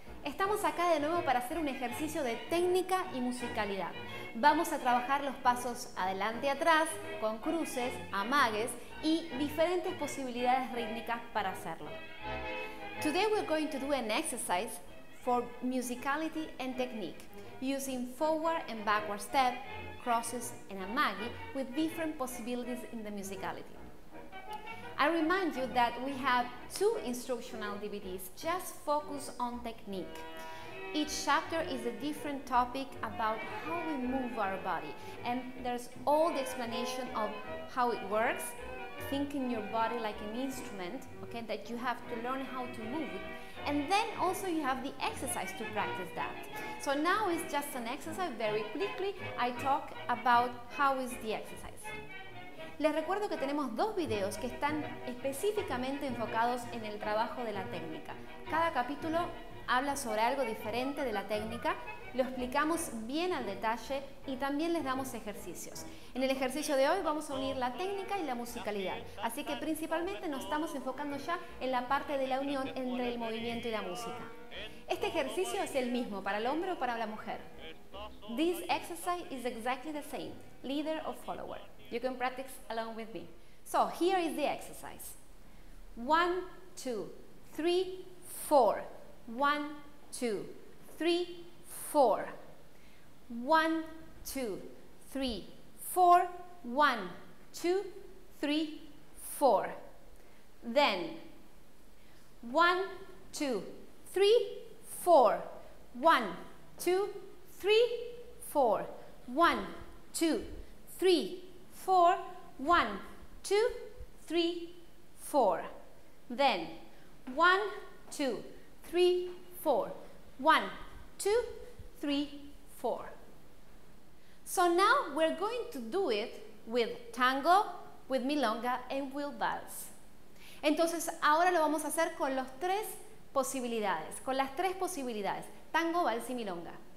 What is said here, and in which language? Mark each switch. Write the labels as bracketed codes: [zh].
[es] Estamos acá de nuevo para hacer un ejercicio de técnica y musicalidad. Vamos a trabajar los pasos adelante y atrás, con cruces, amagues y diferentes posibilidades rítmicas para hacerlo. [en] Today we're going to do an exercise for musicality and technique, using forward and backward step, crosses and amagi with different possibilities in the musicality. I remind you that we have two instructional DVDs just focused on technique. Each chapter is a different topic about how we move our body, and there's all the explanation of how it works, thinking your body like an instrument, okay, that you have to learn how to move it, and then also you have the exercise to practice that. So now it's just an exercise. Very quickly I talk about how is the exercise. [es] Les recuerdo que tenemos dos videos que están específicamente enfocados en el trabajo de la técnica. Cada capítulo habla sobre algo diferente de la técnica, lo explicamos bien al detalle y también les damos ejercicios. En el ejercicio de hoy vamos a unir la técnica y la musicalidad, así que principalmente nos estamos enfocando ya en la parte de la unión entre el movimiento y la música. Este ejercicio es el mismo para el hombre o para la mujer. [en] This exercise is exactly the same, leader or follower. You can practice along with me. So here is the exercise. 1, 2, 3, 4. 1, 2, 3, 4. 1, 2, 3, 4. 1, 2, 3, 4. Then 1, 2, 3, 4. 1, 2, 3, 4. 1, 2, 3, 4. 1, 2, 3, 4. Then 1, 2, 3, 4. 1, 2, 3, 4. So now we're going to do it with tango, with milonga and with vals. [es] Entonces ahora lo vamos a hacer con los tres posibilidades, con las tres posibilidades: tango, vals y milonga.